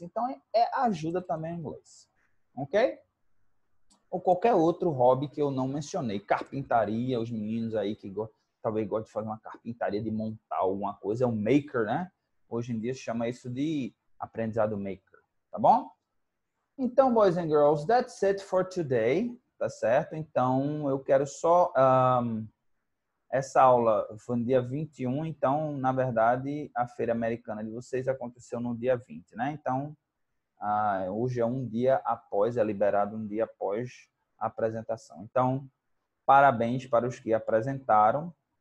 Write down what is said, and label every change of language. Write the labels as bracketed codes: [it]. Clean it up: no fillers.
[pt] Então, ajuda também o inglês. Ok? Ou qualquer outro hobby que eu não mencionei. Carpintaria, os meninos aí que talvez gostem de fazer uma carpintaria, de montar alguma coisa. É um maker, né? Hoje em dia se chama isso de aprendizado maker. Tá bom? Então, [en] boys and girls, that's it for today. [pt] Tá certo? Então, eu quero só... essa aula foi no dia 21, então, na verdade, a feira americana de vocês aconteceu no dia 20, né? Então, hoje é um dia após, é liberado um dia após a apresentação. Então, parabéns para os que apresentaram.